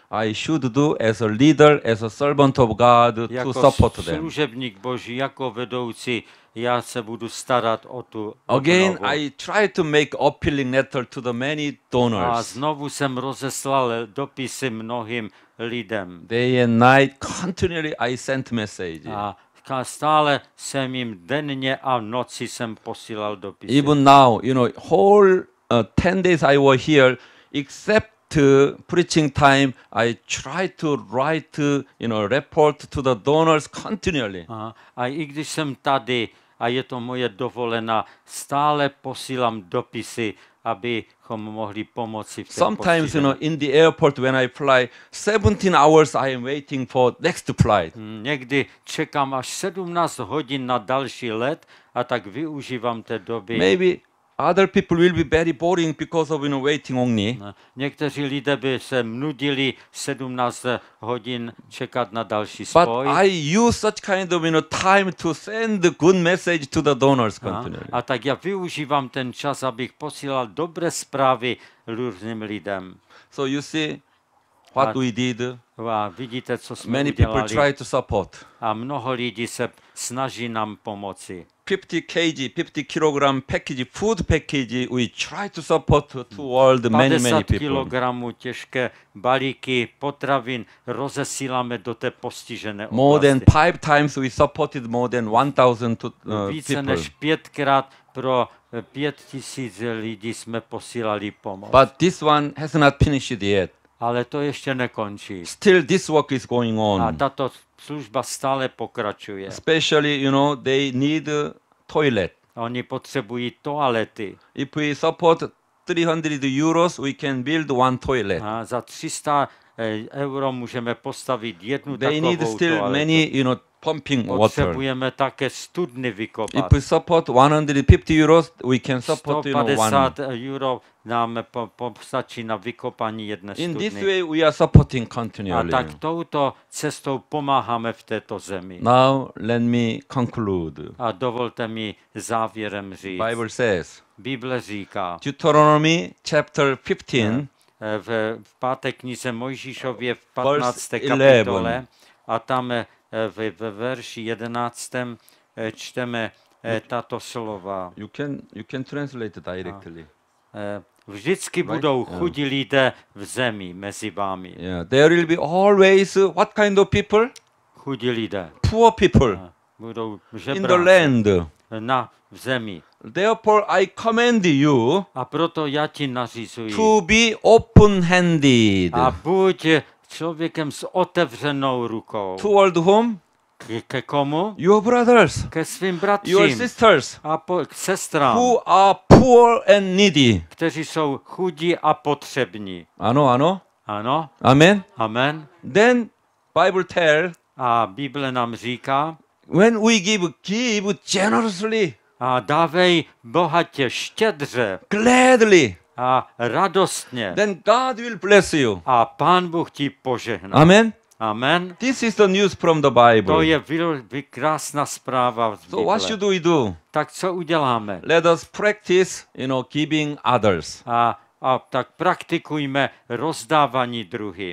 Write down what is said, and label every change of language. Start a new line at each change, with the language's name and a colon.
English: I should do as a leader, as a servant of God
Czech: jako
English: to support them.
Czech: Jako služebník Boží, jako vedoucí, já se budu starat o tu obnovu.
English: Again, I try to make appealing letter to the many donors.
Czech: A znovu jsem rozeslal dopisy mnohým lidem.
English: Day and night, continually I sent message.
Czech: A stále jsem jim denně a noci jsem posílal dopisy.
English: Even now, you know, whole 10 days I was here, except to preaching time, I try to write, you know, report to the donors continually.
Czech: A i když jsem tady, a je to moje dovolená, stále posílám dopisy abychom mohli pomoci v té
English: Sometimes you know in the airport when I fly 17 hours I am waiting for next flight.
Czech: Někdy čekám až 17 hodin na další let a tak využívám té doby.
English: Maybe other people will be very boring because of you know waiting only.
Czech: Někteří lidé by se nudili 17 hodin čekat na další
English: But
Czech: spoj.
English: But I use such kind of you know time to send a good message to the donors continually.
Czech: A tak já využívám ten čas, abych posílal dobré zprávy různým lidem.
English: So you see what we did.
Czech: A vidíte, co jsme
English: Many
Czech: udělali.
English: People try to support.
Czech: A mnoho lidí se snaží nám pomoci.
English: 50 kg, 50 kilogram package, food package. We try to support to world many people.
Czech: 50 kilogramů těžké balíky potravin rozesíláme do té postižené oblasti.
English: More than five times we supported more than 1,000 people.
Czech: Více než pětkrát pro 5,000 lidí jsme posílali pomoc.
English: But this one has not finished yet.
Czech: Ale to ještě nekončí.
English: Still this work is going on.
Czech: A tato služba stále pokračuje.
English: Especially, you know, they need a toilet.
Czech: Oni potřebují toalety.
English: If we support 300 euros, we can build one toilet.
Czech: A za 300 euro můžeme postavit jednu
English: they
Czech: takovou toaletu.
English: They need still
Czech: toaletu.
English: Many, you know, pumping water.
Czech: Potřebujeme také studny vykopat.
English: If we support 150 euros, we can support, you know, one.
Czech: 150 euro nám postačí na vykopání jedné studny.
English: In this way we are supporting continually.
Czech: A tak touto cestou pomáháme v této zemi.
English: Now let me conclude.
Czech: A dovolte mi závěrem říct.
English: Bible says.
Czech: Bible říká.
English: Deuteronomy chapter 15.
Czech: V páté knize Mojžíšově v 15. kapitole. A tam ve verši 11. čteme tato slova.
English: You can translate directly.
Czech: Vždycky budou chudí lidé v zemi mezi vámi.
English: Yeah, there will be always what kind of people?
Czech: Chudí lidé.
English: Poor people.
Czech: Budou žebráci.
English: In the land.
Czech: Na v zemi.
English: Therefore, I command you.
Czech: A proto já ti nařizuji.
English: To be open-handed.
Czech: A buď člověkem s otevřenou rukou.
English: Toward whom?
Czech: Ke komu?
English: Your brothers.
Czech: Ke svým bratřím.
English: Your sisters.
Czech: A k sestrám.
English: Who are poor and needy.
Czech: Kteří jsou chudí a potřební. Ano, ano. Ano. Amen. Amen.
English: Then Bible tell.
Czech: A Bible nám říká.
English: When we give generously.
Czech: A dávej bohatě štědře.
English: Gladly.
Czech: A radostně.
English: Then God will bless you.
Czech: A Pán Bůh ti požehná. Amen. Amen.
English: This is the news from the Bible.
Czech: To je krásná zpráva z Bible.
English: So what should we do?
Czech: Tak co uděláme?
English: Let us practice, you know, giving others.
Czech: A tak praktikujme rozdávání druhým.